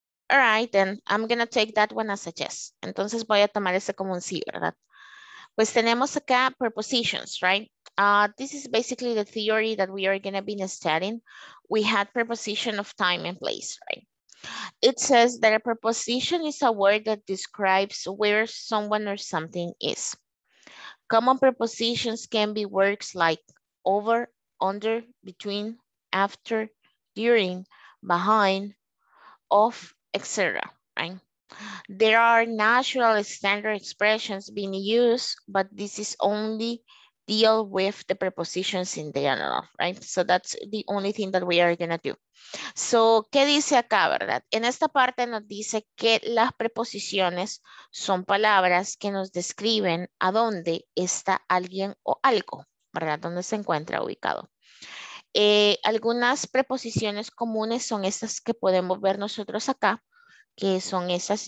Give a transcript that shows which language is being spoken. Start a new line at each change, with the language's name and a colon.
English: All right, then I'm going to take that one as a yes.
Spanish: Entonces voy a tomar ese como un sí, ¿verdad? Pues tenemos acá prepositions,
English: right? This is basically the theory that we are going to be studying. We had preposition of time and place, right? It says that a preposition is a word that describes where someone or something is. Common prepositions can be words like over, under, between, after, during, behind, of, etc. Right? There are natural standard expressions being used, but this is only deal with the prepositions in the general, right? So that's the only thing that we are going to do.
Spanish: So, ¿qué dice acá, verdad? En esta parte nos dice que las preposiciones son palabras que nos describen a dónde está alguien o algo, ¿verdad? Dónde se encuentra ubicado. Algunas preposiciones comunes son estas que podemos ver nosotros acá, que son esas.